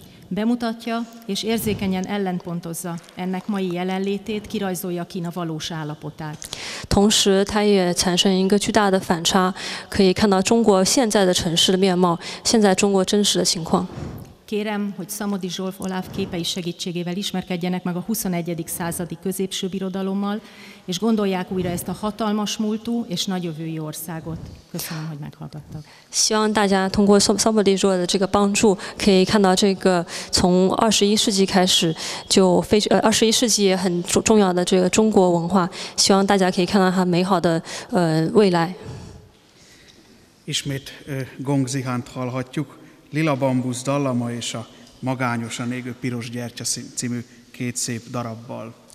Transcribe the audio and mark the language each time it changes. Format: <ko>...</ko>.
<hu>Bemutatja és érzékenyen ellenpontozza ennek mai jelenlétét, kirajzolja Kína valós állapotát.</hu> <zh>同时，它也产生一个巨大的反差，可以看到中国现在的城市的面貌，现在中国真实的情况。</zh> <hu>Kérem, hogy Szamodi Zsolf Oláv képei segítségével ismerkedjenek meg a 21. századi középső birodalommal, és gondolják újra ezt a hatalmas múltú és nagy jövői országot. Köszönöm, hogy meghallgattak.</hu> <zh>希望大家通过Szamodi Zsolt的这个帮助，可以看到这个从21世纪开始，就非21世纪也很重要的这个中国文化，希望大家可以看到它美好的未来。</zh> <hu>Ismét gongzihant hallhatjuk. Lila Bambusz dallama és a Magányosan égő piros gyertya című két szép darabbal.</hu>